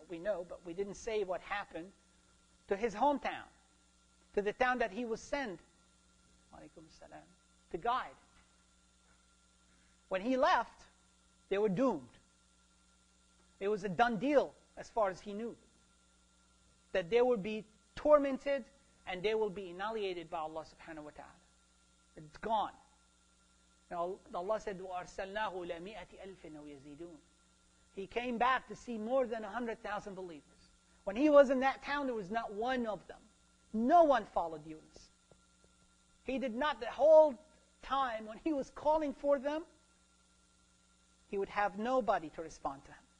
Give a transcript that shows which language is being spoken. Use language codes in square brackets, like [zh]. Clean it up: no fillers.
[en] We know, but we didn't say what happened to his hometown, to the town that he was sent, alaykum salam, to guide. When he left, they were doomed. It was a done deal, as far as he knew, that they would be tormented and they will be annihilated by Allah subhanahu wa ta'ala. It's gone. Now Allah said, [ar] وَأَرْسَلْنَاهُ إِلَى مِئَةِ أَلْفٍ أَوْ يَزِيدُونَ. [en] He came back to see more than 100,000 believers. When he was in that town, there was not one of them No one followed Yunus. He did not, the whole time when he was calling for them, he would have nobody to respond to him.